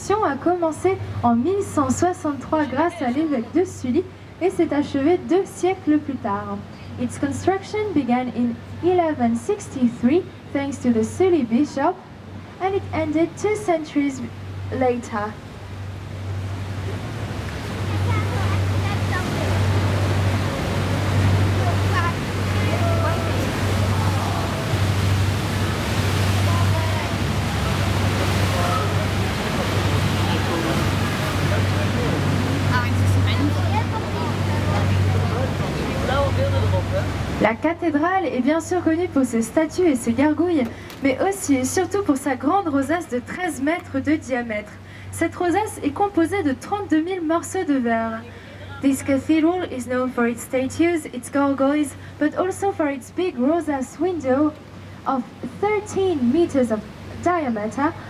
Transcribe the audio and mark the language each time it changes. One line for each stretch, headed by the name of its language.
French: A commencé en 1163 grâce à l'évêque de Sully et s'est achevé 2 siècles plus tard.
English: Its construction began in 1163 thanks to the Sully bishop and it ended 2 centuries later.
French: La cathédrale est bien sûr connue pour ses statues et ses gargouilles, mais aussi et surtout pour sa grande rosace de 13 mètres de diamètre. Cette rosace est composée de 32 000 morceaux de verre.
English: This cathedral is known for its statues, its gargoyles, but also for its big rosace window of 13 meters of diameter,